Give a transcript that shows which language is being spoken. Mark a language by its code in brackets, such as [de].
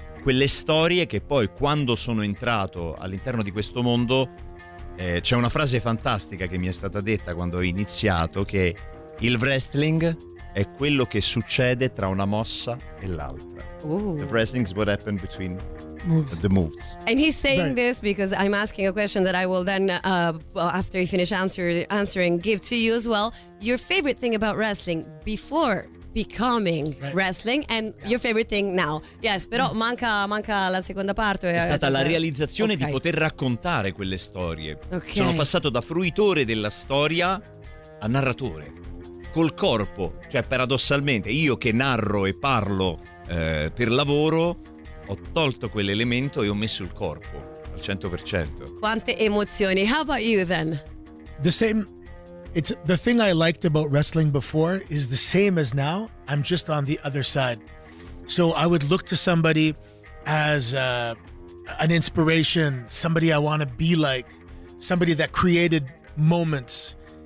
[it] Quelle storie che poi, quando sono entrato all'interno di questo mondo, c'è una frase fantastica che mi è stata detta quando ho iniziato, che il wrestling è quello che succede tra una mossa e l'altra. Ooh. [en] The wrestling is what happened between moves. The moves. And he's saying this because I'm asking a question that I will then, after you finish answering, give to you as well. Your favorite thing about wrestling before becoming wrestling and your favorite thing now. [it] Yes, però manca la seconda parte. È stata la realizzazione di poter raccontare quelle storie. [en] Okay. [it] Sono passato da fruitore della storia a narratore. Col corpo, cioè paradossalmente, io che narro e parlo per lavoro, ho tolto quell'elemento e ho messo il corpo al 100%. Quante emozioni. [en] How about you then? The same. It's the thing I liked about wrestling before is the same as now. I'm just on the other side. So I would look to somebody as an inspiration, somebody I want to be like, somebody that created moments.